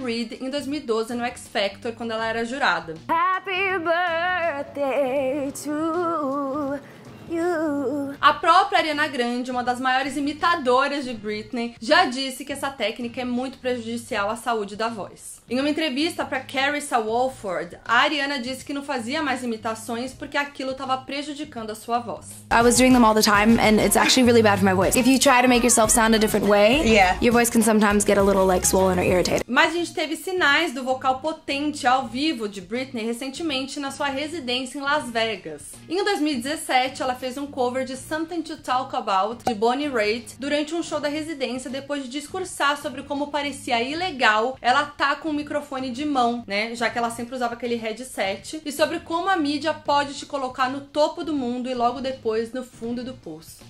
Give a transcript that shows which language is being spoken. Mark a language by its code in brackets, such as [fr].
[pt] Reid em 2012 no X Factor, quando ela era jurada. [en] Happy Birthday to you. [pt] A própria Ariana Grande, uma das maiores imitadoras de Britney, já disse que essa técnica é muito prejudicial à saúde da voz. Em uma entrevista pra Carissa Walford, a Ariana disse que não fazia mais imitações porque aquilo tava prejudicando a sua voz. [en] I was doing them all the time and it's actually really bad for my voice. If you try to make yourself sound a different way, yeah, your voice can sometimes get a little like swollen or irritated. [pt] Mas a gente teve sinais do vocal potente ao vivo de Britney recentemente na sua residência em Las Vegas. Em 2017, ela fez um cover de Something to Talk About, de Bonnie Raitt, durante um show da residência, depois de discursar sobre como parecia ilegal ela tá com um microfone de mão, né, já que ela sempre usava aquele headset, e sobre como a mídia pode te colocar no topo do mundo e logo depois no fundo do poço.